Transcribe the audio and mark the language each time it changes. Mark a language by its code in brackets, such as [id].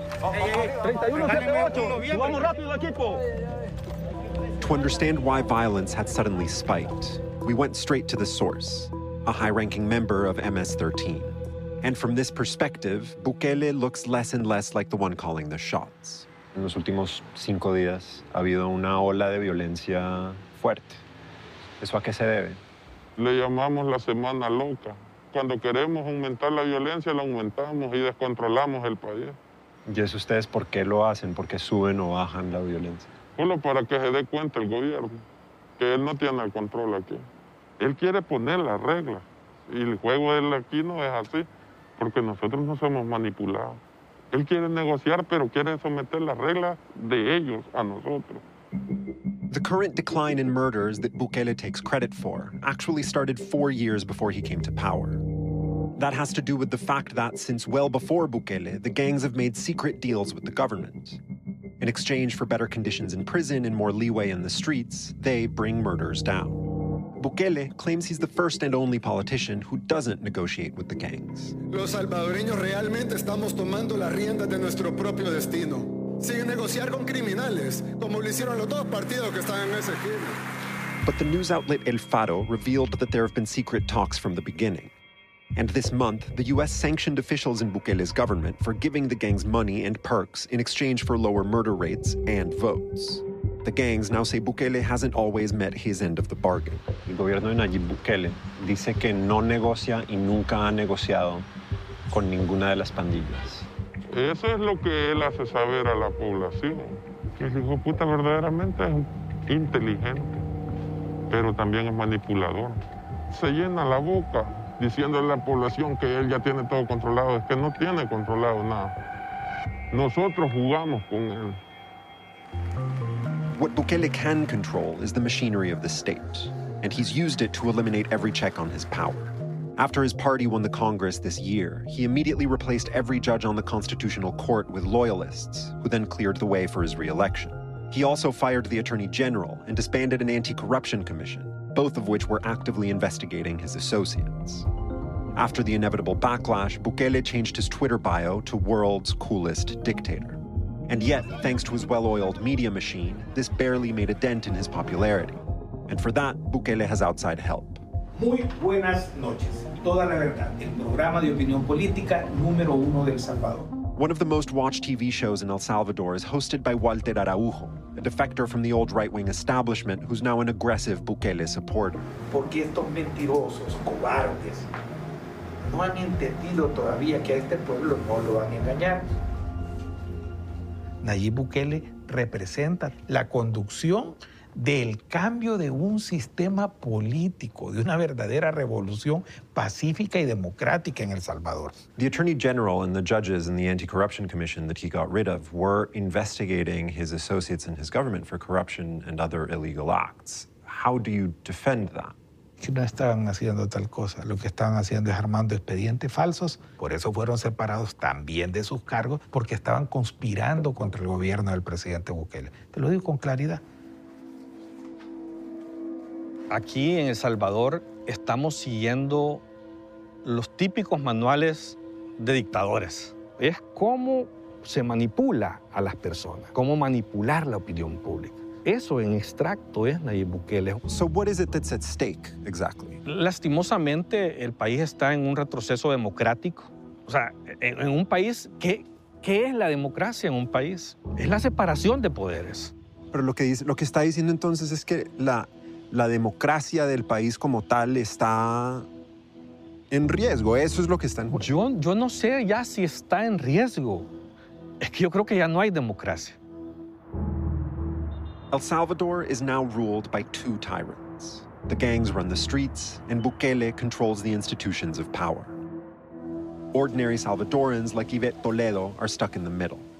[es] 31-78. Vamos rápido, equipo. [en] To understand why violence had suddenly spiked, we went straight to the source, a high-ranking member of MS-13. And from this perspective, Bukele looks less and less like the one calling the shots. [es] En los últimos 5 días ha habido una ola de violencia fuerte. ¿Eso a qué se debe? Le llamamos la semana loca. Cuando queremos aumentar la violencia, la aumentamos y descontrolamos el país. ¿Y eso ustedes por qué lo hacen? ¿Por qué suben o bajan la violencia? Bueno, para que se dé cuenta el gobierno, que él no tiene el control aquí. Él quiere poner las reglas. Y el juego de él aquí no es así, porque nosotros no somos manipulados. Él quiere negociar, pero quiere someter las reglas de ellos a nosotros. [en] The current decline in murders that Bukele takes credit for actually started 4 years before he came to power. That has to do with the fact that since well before Bukele, the gangs have made secret deals with the government. In exchange for better conditions in prison and more leeway in the streets, they bring murders down. Bukele claims he's the first and only politician who doesn't negotiate with the gangs. [es] Los salvadoreños realmente estamos tomando las riendas de nuestro propio destino, sin negociar con criminales, como lo hicieron los dos partidos que están en ese esquema. [en] But the news outlet El Faro revealed that there have been secret talks from the beginning. And this month, the U.S. sanctioned officials in Bukele's government for giving the gangs money and perks in exchange for lower murder rates and votes. The gangs now say Bukele hasn't always met his end of the bargain. [es] El gobierno de Nayib Bukele dice que no negocia y nunca ha negociado con ninguna de las pandillas. Eso es lo que él hace saber a la población. Que el hijo puta verdaderamente es inteligente, pero también es manipulador. Se llena la boca diciendo a la población que él ya tiene todo controlado, es que no tiene controlado nada. Nosotros jugamos con él. [en] What Bukele can control is the machinery of the state, and he's used it to eliminate every check on his power. After his party won the Congress this year, he immediately replaced every judge on the Constitutional Court with loyalists, who then cleared the way for his re-election. He also fired the Attorney General and disbanded an anti-corruption commission, both of which were actively investigating his associates. After the inevitable backlash, Bukele changed his Twitter bio to "World's Coolest Dictator." And yet, thanks to his well-oiled media machine, this barely made a dent in his popularity. And for that, Bukele has outside help. [es] Muy buenas noches. Toda la verdad. El programa de opinión política número uno de El Salvador. [en] One of the most watched TV shows in El Salvador is hosted by Walter Araujo, a defector from the old right-wing establishment who's now an aggressive Bukele supporter. [es] Porque estos mentirosos, cobardes, no han entendido todavía que a este pueblo no lo van a engañar. Nayib Bukele representa la conducción del cambio de un sistema político, de una verdadera revolución pacífica y democrática en El Salvador. [en] The Attorney General and the judges in the Anti-Corruption Commission that he got rid of were investigating his associates and his government for corruption and other illegal acts. How do you defend that? [es] Que no estaban haciendo tal cosa. Lo que estaban haciendo es armando expedientes falsos. Por eso fueron separados también de sus cargos, porque estaban conspirando contra el gobierno del presidente Bukele. Te lo digo con claridad. Aquí en El Salvador estamos siguiendo los típicos manuales de dictadores. Es cómo se manipula a las personas, cómo manipular la opinión pública. Eso en extracto es Nayib Bukele. [en] So what is it that's at stake exactly? [es] Lastimosamente, el país está en un retroceso democrático. O sea, en un país, ¿qué es la democracia en un país? Es la separación de poderes. Pero lo que está diciendo entonces es que la democracia del país como tal está en riesgo. Eso es lo que está en juego. Yo no sé ya si está en riesgo. Es que yo creo que ya no hay democracia. [en] El Salvador is now ruled by two tyrants. The gangs run the streets, and Bukele controls the institutions of power. Ordinary Salvadorans like Yvette Toledo are stuck in the middle.